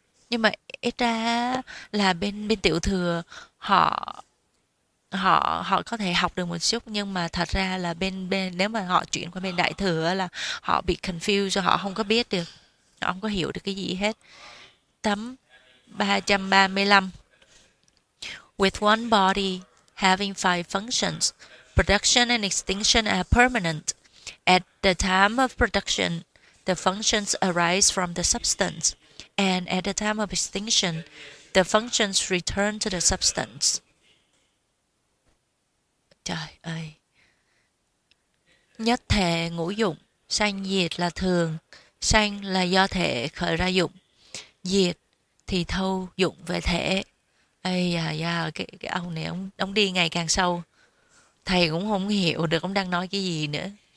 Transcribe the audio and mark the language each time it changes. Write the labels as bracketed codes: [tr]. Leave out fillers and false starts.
[vi] Nhưng mà ít ra là bên bên tiểu thừa họ họ họ có thể học được một chút, nhưng mà thật ra là bên bên nếu mà họ chuyển qua bên đại thừa là họ bị confused, rồi họ không có biết được, họ không có hiểu được cái gì hết. Tấm 335. [en] With one body having five functions, production and extinction are permanent. At the time of production, the functions arise from the substance, and at the time of extinction, the functions return to the substance. [vi] Trời ơi. Nhất thể ngũ dụng, sanh diệt là thường, sanh là do thể khởi ra dụng, diệt thì thâu dụng về thể. Ây da da, cái ông này ông đi ngày càng sâu, thầy cũng không hiểu được ông đang nói cái gì nữa.